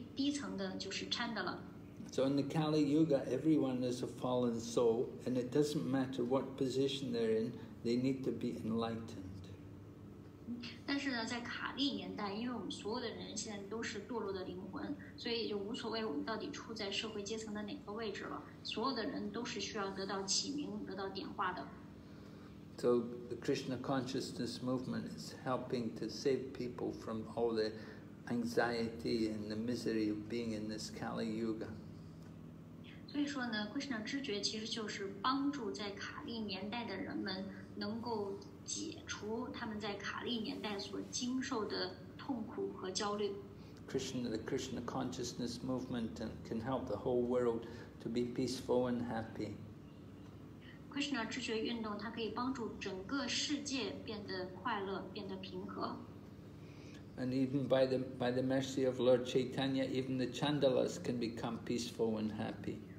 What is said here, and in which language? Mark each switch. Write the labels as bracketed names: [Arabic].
[Chinese] 所以呢，就是作为人呢是有不同的阶层的，在最高的呢是婆罗门，在最低层的就是禅的了。 [English] So in the Kali Yuga, everyone is a fallen soul, and it doesn't matter what position they're in, they need to be enlightened. [Chinese] 但是呢，在卡利年代，因为我们所有的人现在都是堕落的灵魂，所以也就无所谓我们到底处在社会阶层的哪个位置了。所有的人都是需要得到启明，得到点化的。 [English] So the Krishna consciousness movement is helping to save people from all the anxiety and the misery of being in this Kali Yuga. [Chinese] 所以说呢， Krishna 知觉其实就是帮助在卡利年代的人们能够解除他们在卡利年代所经受的痛苦和焦虑。 [English] Krishna, the Krishna consciousness movement can help the whole world to be peaceful and happy. [Chinese] Krishna 知觉运动，它可以帮助整个世界变得快乐，变得平和。 [English] And even by the mercy of Lord Chaitanya, even the chandalas can become peaceful and happy.